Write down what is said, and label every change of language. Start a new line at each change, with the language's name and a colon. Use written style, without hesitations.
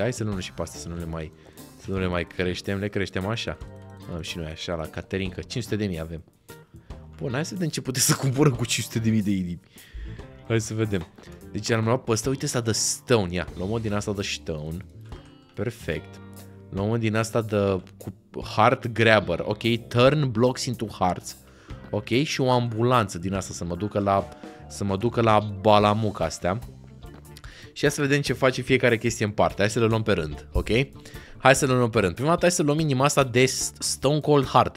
Romanian: Hai să luăm și pe astea, să nu le mai creștem. Le creștem așa. Am și noi așa la Caterinca. 500.000 avem. Bun, hai să vedem ce puteți să cumpărăm cu 500.000 de inimi. Hai să vedem. Deci am luat pe ăsta. Uite asta de stone. Ia, luăm-o din asta de stone. Perfect. Luăm-o din asta de heart grabber.
English: Ok, turn blocks into hearts.
Romanian: Ok, și o ambulanță din asta să mă ducă la balamuc astea. Și hai să vedem ce face fiecare chestie în parte. Hai să le luăm pe rând, ok? Hai să le luăm pe rând. Prima dată hai să luăm inima asta de Stone Cold Heart.